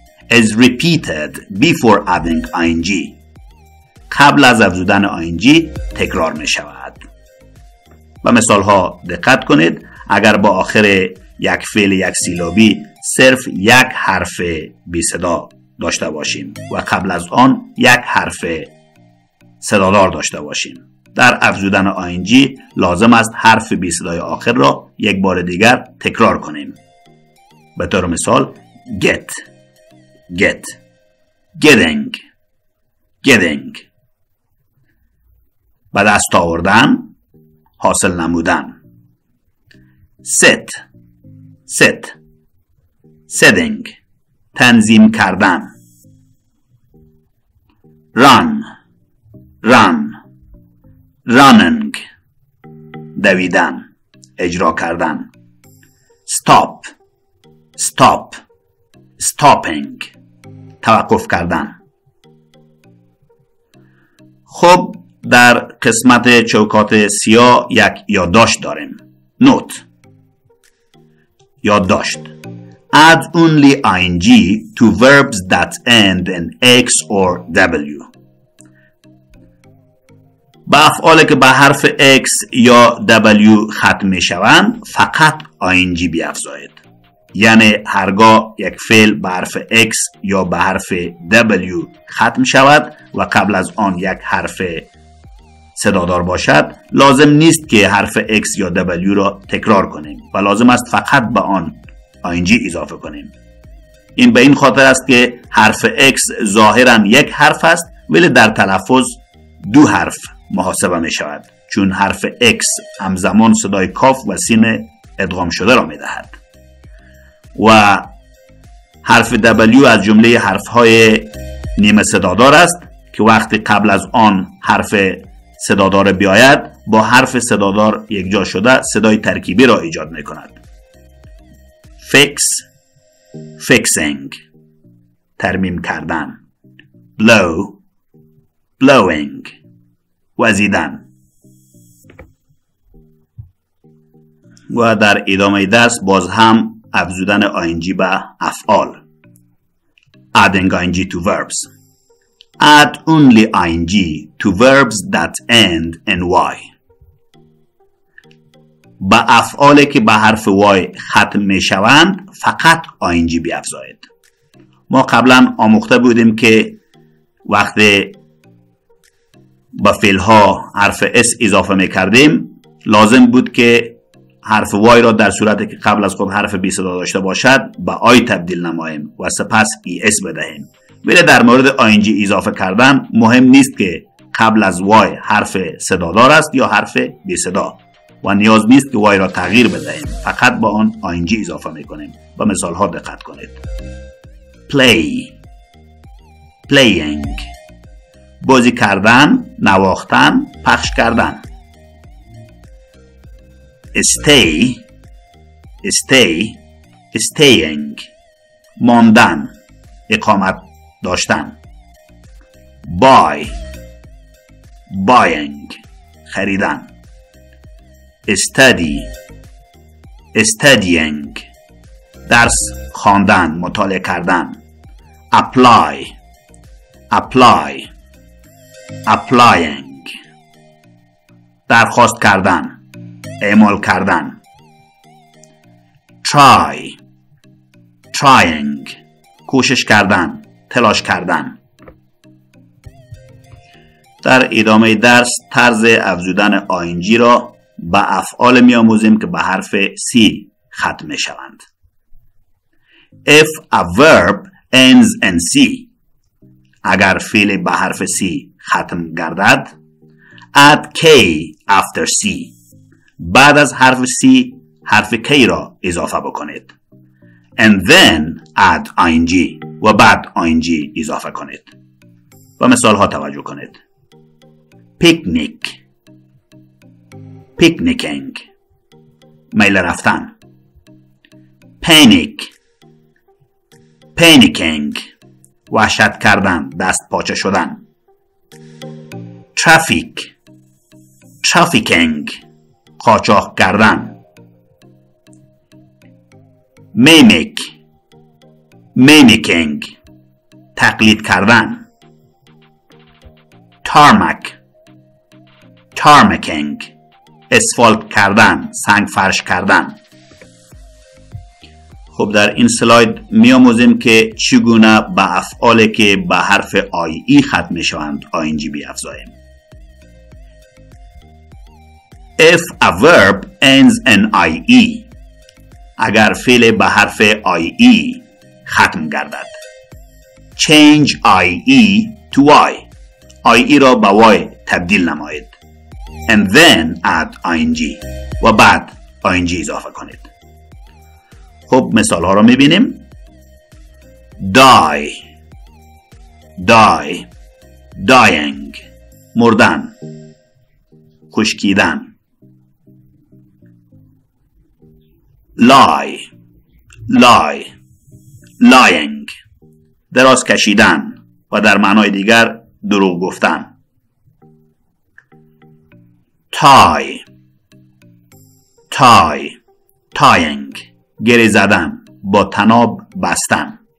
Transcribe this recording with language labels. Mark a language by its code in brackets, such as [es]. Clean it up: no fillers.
[en] Is repeated before adding ing. [fa] قبل از افزودن ing تکرار می شود. به مثال ها دقت کنید. اگر با آخر یک فعل یک سیلابی صرف یک حرف بی صدا داشته باشیم و قبل از آن یک حرف صدادار داشته باشیم، در افزودن آینجی لازم است حرف بی صدای آخر را یک بار دیگر تکرار کنیم. به طور مثال [en] get, get, getting, getting. [fa] به دست آوردن، حاصل نمودن. [en] set, set, setting, [fa] تنظیم کردن. [en] run, run, running, [fa] دویدن، اجرا کردن. [en] stop, stop, stopping, [fa] توقف کردن. خب در قسمت چوکات سیاه یک یادداشت داریم. نوت، یادداشت. [en] Add only ing to verbs that end in x or w. [fa] به افعالی که به حرف x یا w ختم می شوند فقط ing بیافزایید. یعنی هرگاه یک فعل به حرف x یا به حرف w ختم شود و قبل از آن یک حرف صدادار باشد، لازم نیست که حرف x یا w را تکرار کنیم و لازم است فقط به آن ing اضافه کنیم. این به این خاطر است که حرف x ظاهرا یک حرف است ولی در تلفظ دو حرف محاسبه می شود، چون حرف x همزمان صدای کاف و سین ادغام شده را می دهد و حرف w از جمله حرف‌های نیمه صدادار است که وقتی قبل از آن حرف صدادار بیاید با حرف صدادار یک جا شده صدای ترکیبی را ایجاد می کند. [en] fix, fixing, [fa] ترمیم کردن. [en] blow, blowing, [fa] وزیدن. و در ادامه دست باز هم افزودن ing به افعال. [en] adding ing to verbs. Add only ing to verbs that end in y. [fa] به افعالی که به حرف y ختم می شوند فقط ing بیافزایید. ما قبلا آموخته بودیم که وقتی به فعل ها حرف s اضافه می کردیم لازم بود که حرف y را در صورتی که قبل از خود حرف بی صدا داشته باشد به i تبدیل نماییم و سپس es بدهیم. ولی در مورد ing اضافه کردن مهم نیست که قبل از y حرف صدادار است یا حرف بی صدا و نیاز نیست که y را تغییر بدهیم، فقط با آن ing اضافه میکنیم. با مثال ها دقت کنید. [en] play, playing, [fa] بازی کردن، نواختن، پخش کردن. [en] stay, stay, staying, [fa] ماندن، اقامت داشتن. [en] buy, buying, [fa] خریدن. [en] study, studying, [fa] درس خواندن، مطالعه کردن. [en] apply, apply, applying, [fa] درخواست کردن، اعمال کردن. [en] try, trying, [fa] کوشش کردن، تلاش کردن. در ادامه درس طرز افزودن ing را به افعال می آموزیم که به حرف c ختم می شوند. [en] if a verb ends in c, [fa] اگر فعل به حرف c ختم گردد، [en] add k after c, [fa] بعد از حرف c حرف k را اضافه بکنید. [en] and then add ing, [fa] و بعد ing اضافه کنید. و مثال ها توجه کنید. [en] picnic, picnicking, [fa] میل رفتن. [en] panic, panicking, [fa] وحشت کردن، دست پاچه شدن. [en] traffic, trafficking, [fa] قاچاق کردن. [en] mimic, mimicking, [fa] تقلید کردن. [en] tarmac, tarmacking, [fa] اسفالت کردن، سنگ فرش کردن. خب در این سلاید می آموزیم که چگونه به افعالی که به حرف آی ای ختم می شوند ing بیافزاییم. [en] If a verb ends in ie، [fa] اگر فعل به حرف ie ختم گردد. [en] Change ie to y، [fa] ie را به y تبدیل نمایید. [en] And then add ing، [fa] و بعد ing اضافه کنید. خب مثال ها را میبینیم. [en] Die، die، dying، [fa] مردن، خشکیدن. [en] Lie، lie، lying، [fa] دراز کشیدن و در معنای دیگر دروغ گفتن. [en] Tie، tie، tying، [fa] گره زدن، با تناب بستن.